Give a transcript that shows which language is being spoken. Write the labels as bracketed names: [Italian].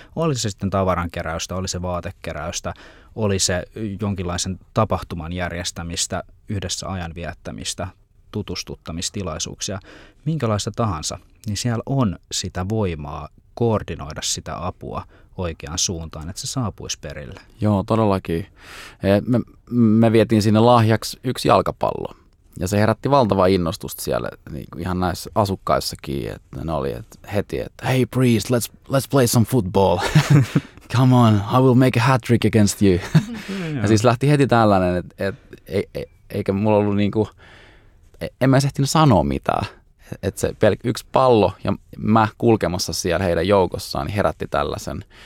[Finnish] Oli se sitten tavarankeräystä, oli se vaatekeräystä, oli se jonkinlaisen tapahtuman järjestämistä, yhdessä ajan viettämistä, tutustuttamistilaisuuksia, minkälaista tahansa, niin siellä on sitä voimaa koordinoida sitä apua oikeaan suuntaan, että se saapuisi perille. Joo, todellakin. Me vietiin sinne lahjaksi yksi jalkapallo. Ja se herätti valtavaa innostusta siellä niin kuin ihan näissä asukkaissakin, että ne oli heti, että hey priest, let's play some football. [English] Come on, I will make a hat trick against you. [Finnish] Ja siis lähti heti tällainen, eikä mulla ollut niin kuin, en mä ehtinyt sanoa mitään. Että se yksi pallo ja mä kulkemassa siellä heidän joukossaan niin herätti tällaisen.